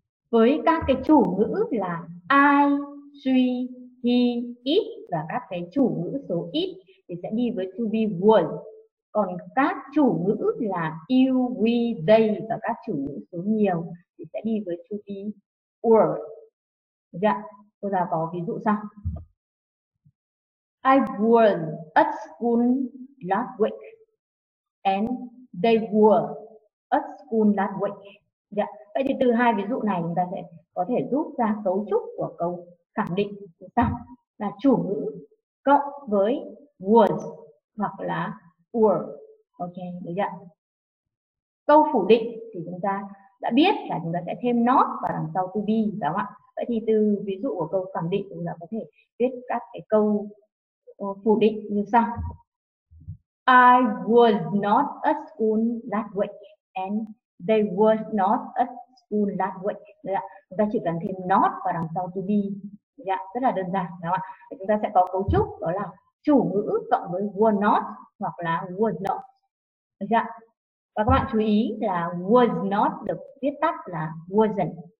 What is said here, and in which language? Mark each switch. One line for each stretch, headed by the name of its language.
Vietnamese: Với các cái chủ ngữ là I, she, he, it và các cái chủ ngữ số it thì sẽ đi với to be was. Còn các chủ ngữ là you, we, they và các chủ ngữ số nhiều thì sẽ đi với to be were. Dạ. Cô giáo có ví dụ sau.
English: I was at school last week and they were at school last week. Yeah.
Vietnamese: Vậy thì từ hai ví dụ này chúng ta sẽ có thể rút ra cấu trúc của câu khẳng định sau là chủ ngữ cộng với was hoặc là were.
English: Ok,
Vietnamese: được chưa? Câu phủ định thì chúng ta đã biết là chúng ta sẽ thêm not vào đằng sau to be, đúng không ạ? Vậy thì từ ví dụ của câu khẳng định chúng ta có thể viết các cái câu phủ định như sau.
English: I was not at school that week and they were not at school that week.
Vietnamese: Đấy ạ. Chúng ta chỉ cần thêm not vào đằng sau to be. Dạ, rất là đơn giản, đúng không ạ? Chúng ta sẽ có cấu trúc đó là chủ ngữ cộng với were not hoặc là was not. Được chưa? Và các bạn chú ý là was not được viết tắt là wasn't.